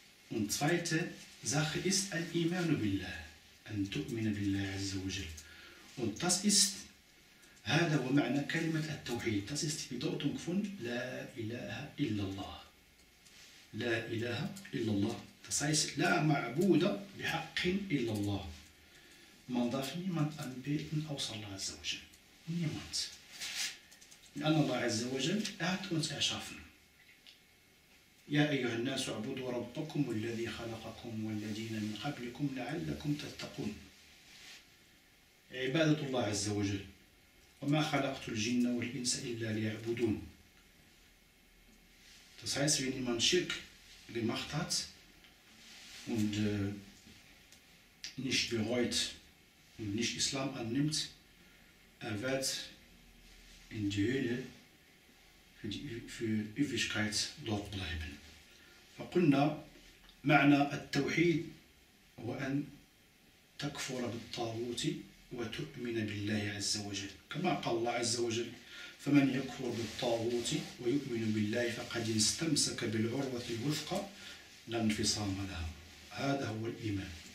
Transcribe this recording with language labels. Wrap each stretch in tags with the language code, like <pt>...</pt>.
<de>Und zweite Sache ist</de> <ar>الإيمان بالله. أن تؤمن بالله عز وجل.</ar> <de>Und das ist</de> <ar>هذا هو معنى كلمة التوحيد.</ar> <de>Das ist die Bedeutung von</de> <ar>لا إله إلا الله. لا إله إلا الله.</ar> <de>Das heißt</de> <ar>لا معبود بحق إلا الله.</ar> <de>Man darf niemand anbeten außer الله عز وجل. Niemand.</de> <ar>لأن الله عز وجل</ar> <de>hat uns erschaffen.</de> <ar>يا أيها الناس اعبدوا ربكم الذي خلقكم والذين من قبلكم لعلكم تتقون. عبادة الله عز وجل. وما خلقت الجن والإنس إلا ليعبدون.</ar> <de>Das heißt, wenn jemand Schirk gemacht hat und nicht bereut und nicht Islam annimmt, er wird in die Höhle für Ewigkeit dort bleiben.</de> <ar>فقلنا معنى التوحيد هو أن تكفر بالطاغوت وتؤمن بالله عز وجل كما قال الله عز وجل فمن يكفر بالطاغوت ويؤمن بالله فقد استمسك بالعروة الوثقى لا انفصام لها هذا هو الإيمان</ar>